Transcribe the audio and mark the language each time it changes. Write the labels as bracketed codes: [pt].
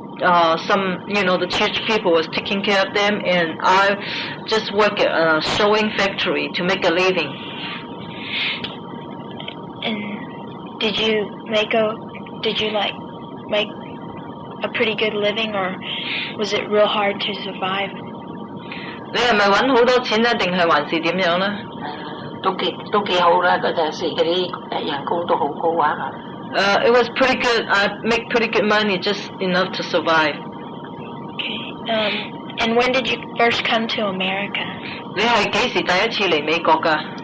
[en] The church people was taking care of them, and I just work at a sewing factory to make a living. And did you make a pretty good living, or was it real hard to survive? [yue] 你係咪揾好多錢咧，定係還是點樣咧？都幾好啦，嗰陣時嗰啲人工都好高啊。 [en] It was pretty good. I make pretty good money, just enough to survive. Okay. And when did you first come to America? [yue] 你係幾時第一次嚟美國㗎？